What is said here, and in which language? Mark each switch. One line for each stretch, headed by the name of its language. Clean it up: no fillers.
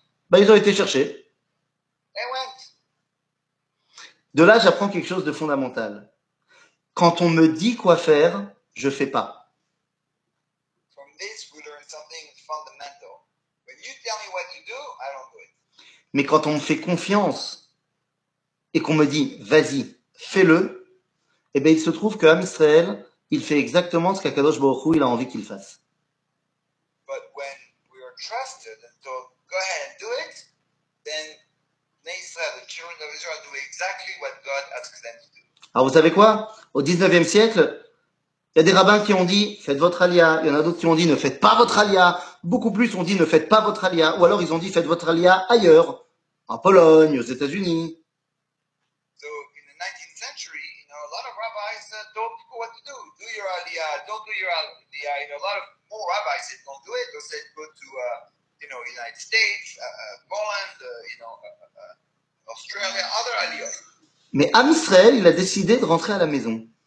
French: Ben, ils ont été chercher. De là, j'apprends quelque chose de fondamental. Quand on me dit quoi faire, je fais pas.
English: From this we learn something fundamental. When you tell me what to do, I don't do it.
French: Mais quand on me fait confiance et qu'on me dit vas-y, fais-le, eh bien il se trouve que Amisraël, il fait exactement ce qu'Akadosh Baruch Hu il a envie qu'il fasse.
English: But when we are trusted and told go ahead and do it, then Israel, the children of Israel do exactly what God asks them to do.
French: Alors vous savez quoi? Au 19e siècle, il y a des rabbins qui ont dit « faites votre alia », il y en a d'autres qui ont dit « ne faites pas votre alia », beaucoup plus ont dit « ne faites pas votre alia », ou alors ils ont dit « faites votre alia ailleurs », en Pologne, aux États-Unis.
English: So, in the 19th century, you know, a lot of rabbis told people what to do. Do your alia, don't do your alia. You know, a lot of more rabbis said don't do it, or said go to, you know, United States, Poland, you know, Australia, other alia.
French: Mais Am Israël, il a décidé de rentrer à la maison.